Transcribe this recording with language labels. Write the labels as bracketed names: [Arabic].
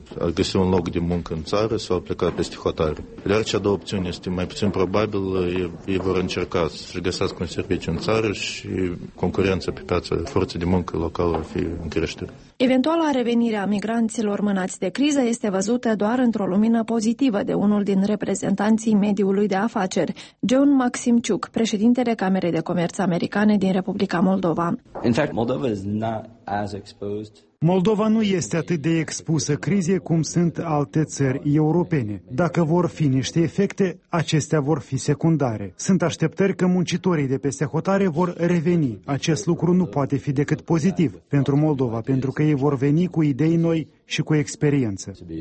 [Romanian] A găsi un loc de muncă în țară sau a pleca peste hotare. Dar cea două opțiuni este mai puțin probabil, ei vor încerca să-și găsească un serviciu în țară și concurența pe piață, forță de muncă locală va fi în creștere. Eventuala revenire a migranților mânați de criză este văzută doar într-o lumină pozitivă de unul din reprezentanții mediului de afaceri, John Maximciuk, președintele Camerei de Comerț Americane din Republica Moldova. [English] In fact, Moldova is not as exposed. [Romanian] Moldova nu este atât de expusă crizei cum sunt alte țări europene. Dacă vor fi niște efecte, acestea vor fi secundare. Sunt așteptări că muncitorii de peste hotare vor reveni. Acest lucru nu poate fi decât pozitiv pentru Moldova, pentru că ei vor veni cu idei noi și cu experiență.